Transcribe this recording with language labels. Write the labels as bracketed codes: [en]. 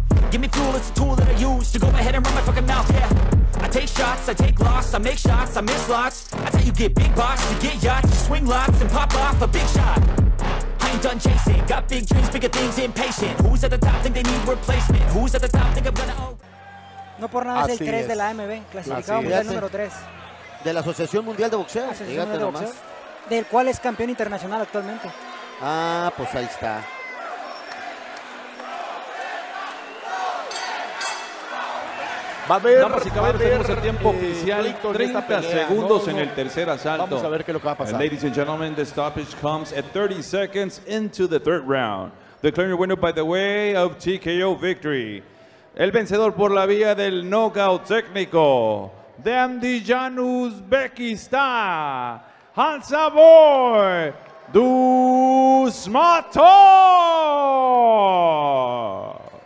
[en] Give me fuel, it's a tool that I use to go ahead and run my fucking mouth, yeah. I take shots, I take loss, I make shots, I miss lots. I tell you get big box, you get yachts, you swing lots and pop off a big shot. I ain't done chasing, got big dreams, bigger things, impatient. Who's at the top, think they need replacement? Who's at the top, think I'm gonna... [es] No por nada así es el 3 de la AMB, clasificado mundial número 3. ¿De la Asociación Mundial de Boxeo? Dígate de nomás. ¿Del cual es campeón internacional actualmente? Ah, pues ahí está. Va a ver, damas y caballeros, tenemos el tiempo oficial, 30 segundos en el tercer asalto. Vamos a ver qué es lo que va a pasar. [en] And ladies and gentlemen, the stoppage comes at 30 seconds into the third round. Declaring your winner by the way of TKO victory. [es] El vencedor por la vía del knockout técnico de Andijan Uzbekistán, Hansa Boy Dusmatov.